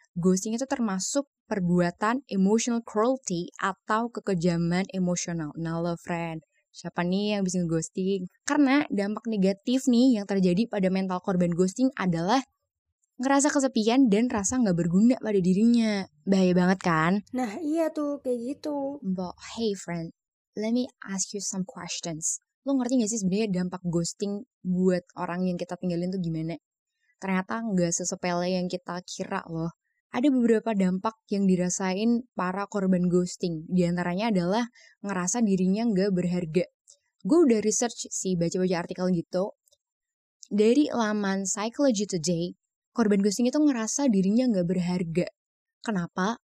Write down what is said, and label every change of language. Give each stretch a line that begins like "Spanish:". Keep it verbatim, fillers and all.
Indonesian: Ghosting itu termasuk perbuatan emotional cruelty atau kekejaman emosional. Nah lo friend, siapa nih yang bisa ngeghosting? Karena dampak negatif nih yang terjadi pada mental korban ghosting adalah ngerasa kesepian dan rasa gak berguna pada dirinya. Bahaya banget kan? Nah iya tuh, kayak gitu.
English: But hey friend, let me ask you some questions.
Indonesian: Lo ngerti gak sih sebenarnya dampak ghosting buat orang yang kita tinggalin tuh gimana? Ternyata gak sesepele yang kita kira loh. Ada beberapa dampak yang dirasain para korban ghosting. Di antaranya adalah ngerasa dirinya gak berharga. Gue udah research sih, baca-baca artikel gitu. Dari laman Psychology Today, korban ghosting itu ngerasa dirinya gak berharga. Kenapa?